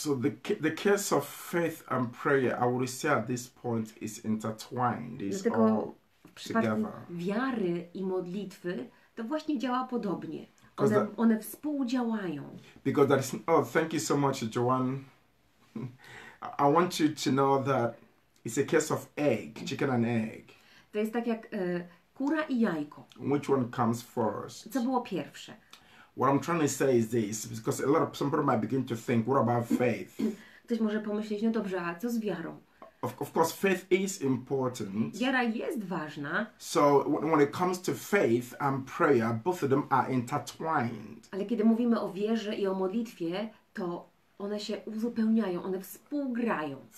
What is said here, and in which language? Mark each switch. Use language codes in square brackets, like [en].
[en] So the case of faith and prayer, I would say at this point is intertwined, is all together. [pl] Wiary i modlitwy to właśnie działa podobnie. One współdziałają. [en] Because that is, thank you so much, Joanne. I want you to know that it's a case of egg, chicken and egg. [pl] To jest tak jak kura i jajko. [en] Which one comes first? [pl] Co było pierwsze? [en] What I'm trying to say is this, because a lot of some people might begin to think, what about faith? [pl] Ktoś może pomyśleć, no dobrze, a co z wiarą? [en] Of course, faith is important. [pl] Wiara jest ważna. [en] So when it comes to faith and prayer, both of them are intertwined. [pl] Ale kiedy mówimy o wierze i o modlitwie, to one się uzupełniają, one współgrają.